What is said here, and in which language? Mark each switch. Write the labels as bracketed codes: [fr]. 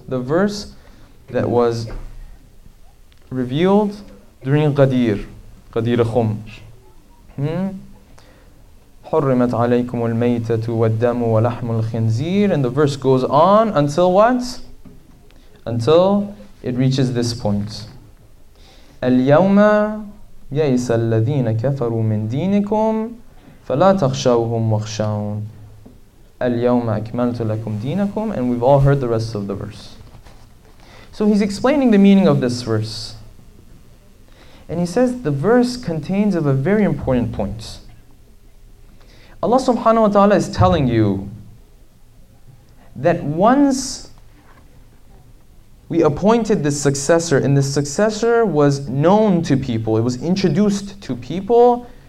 [en] The verse that was revealed during Qadir Khum. [ar] Hurrimat alaykum al-maytatu wa-d-damu wa-lahmu al-khinzir. [en] And the verse goes on until what? Until it reaches this point. [ar] Al-Yawma يَيْسَ الَّذِينَ كَفَرُوا مِنْ دِينِكُمْ فَلَا تَخْشَوْهُمْ وَخْشَوْنَ الْيَوْمَ أَكْمَلْتُ لَكُمْ دِينَكُمْ. [en] And we've all heard the rest of the verse. So he's explaining the meaning of this verse. And he says the verse contains of a very important point. Allah subhanahu wa ta'ala is telling you that once we appointed this successor, and this successor was known to people, it was introduced to people.